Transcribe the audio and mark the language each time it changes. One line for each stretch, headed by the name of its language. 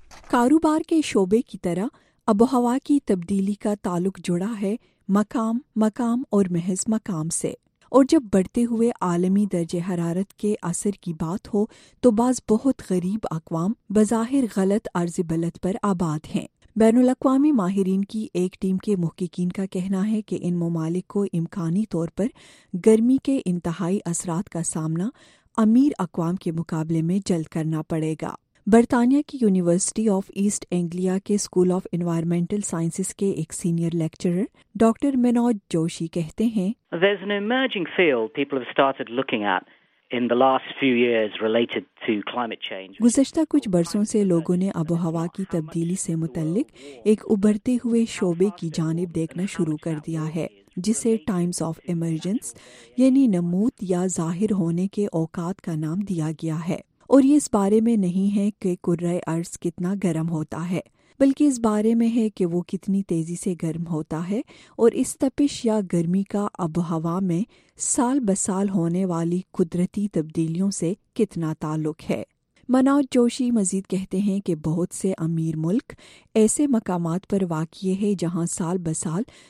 Urdu: کاروبار کے شعبے کی طرح آب و ہوا کی تبدیلی کا تعلق جڑا ہے مقام، مقام اور محض مقام سے، اور جب بڑھتے ہوئے عالمی درجہ حرارت کے اثر کی بات ہو تو بعض بہت غریب اقوام بظاہر غلط عرض بلد پر آباد ہیں۔ بین الاقوامی ماہرین کی ایک ٹیم کے محققین کا کہنا ہے کہ ان ممالک کو امکانی طور پر گرمی کے انتہائی اثرات کا سامنا امیر اقوام کے مقابلے میں جلد کرنا پڑے گا۔ برطانیہ کی یونیورسٹی آف ایسٹ اینگلیا کے اسکول آف انوائرمنٹل سائنسز کے ایک senior lecturer doctor Manoj Joshi کہتے ہیں،
English: There's an emerging field people have started looking at in the last few years related to climate change.
Urdu: گزشتہ کچھ برسوں سے لوگوں نے آب و ہوا کی تبدیلی سے متعلق ایک ابھرتے ہوئے شعبے کی جانب دیکھنا شروع کر دیا ہے، جسے ٹائمز آف ایمرجنس یعنی نموت یا ظاہر ہونے کے اوقات کا نام دیا گیا ہے۔ اور یہ اس بارے میں نہیں ہے کہ کرہ ارض کتنا گرم ہوتا ہے، بلکہ اس بارے میں ہے کہ وہ کتنی تیزی سے گرم ہوتا ہے اور اس تپش یا گرمی کا آب و ہوا میں سال بسال ہونے والی قدرتی تبدیلیوں سے کتنا تعلق ہے۔ منوج جوشی مزید کہتے ہیں کہ بہت سے امیر ملک ایسے مقامات پر واقع ہے جہاں سال بسال